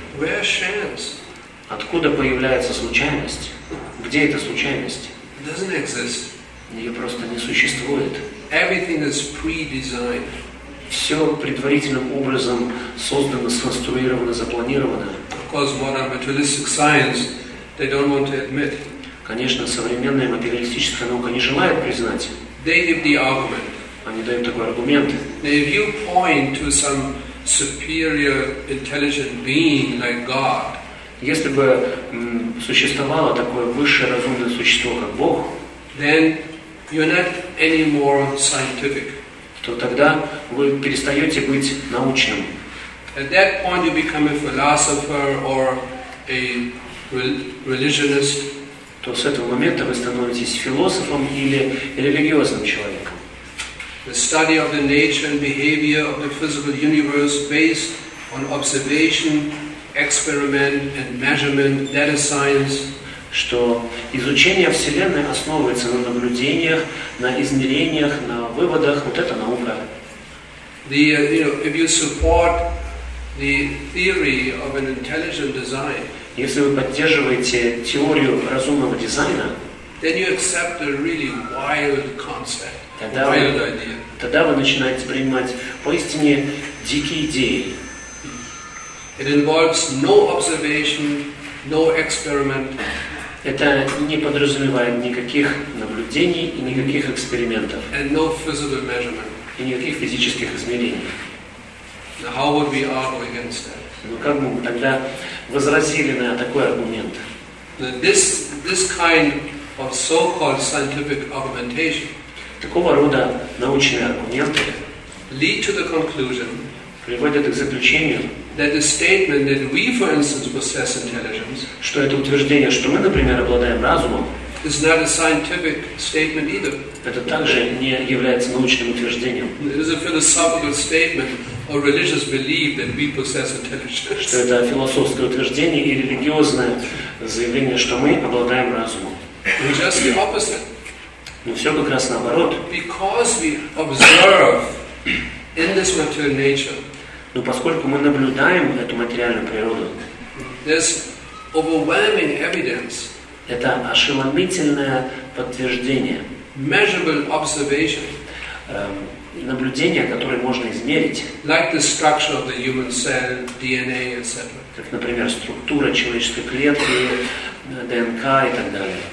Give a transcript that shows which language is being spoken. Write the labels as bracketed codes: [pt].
[en] Where chance? [ru] Откуда появляется случайность? Где эта случайность? [en] It doesn't exist. [ru] Ее просто не существует. [en] Everything is pre-designed. [ru] Все предварительным образом создано, сконструировано, запланировано. [en] Of course, modern materialistic science, they don't want to admit. [ru] Конечно, современная материалистическая наука не желает признать. [en] They give the argument. [ru] Они дают такой аргумент. [en] If you point to some superior intelligent being like God, [ru] если бы существовало такое высшее разумное существо, как Бог, [en] then you're not any more scientific. [ru] То тогда вы перестаете быть научным. [en] At that point you become a philosopher or a religionist. [ru] То с этого момента вы становитесь философом или религиозным человеком. [en] The study of the nature and behavior of the physical universe based on observation, experiment and measurement, that is science. [ru] Что изучение Вселенной основывается на наблюдениях, на измерениях, на выводах, вот это наука. [en] The, you know, if you support the theory of an intelligent design, [ru] если вы поддерживаете теорию разумного дизайна, [en] then you accept a really wild concept, [ru] тогда вы начинаете принимать поистине дикие идеи. [en] It involves no observation, no experiment. [ru] Это не подразумевает никаких наблюдений и никаких экспериментов. [en] And no physical measurement. [ru] И никаких физических измерений. [en] Now how would we argue against that? [ru] Ну как бы мы тогда возразили на такой аргумент? [en] This kind of so-called scientific argumentation. [ru] Такого рода научные аргументы [en] lead to the conclusion, [ru] приводят к заключению, [en] that the statement that we, for instance, possess intelligence, [ru] что это утверждение, что мы, например, обладаем разумом, [en] is not a scientific statement either. [ru] Это также не является научным утверждением. [en] It is a philosophical statement or religious belief that we possess intelligence. [ru] Что это философское утверждение и религиозное заявление, что мы обладаем разумом. [en] Just the opposite. [ru] Но все как раз наоборот. [en] Because we observe in this material nature. [ru] Но поскольку мы наблюдаем эту материальную природу, [en] there's overwhelming evidence, [ru] это ошеломительное подтверждение, [en] measurable observation, [ru] наблюдение, которое можно измерить, [en] like the structure of the human cell, DNA, etc. [ru] Как, например, структура человеческой клетки, ДНК и так далее.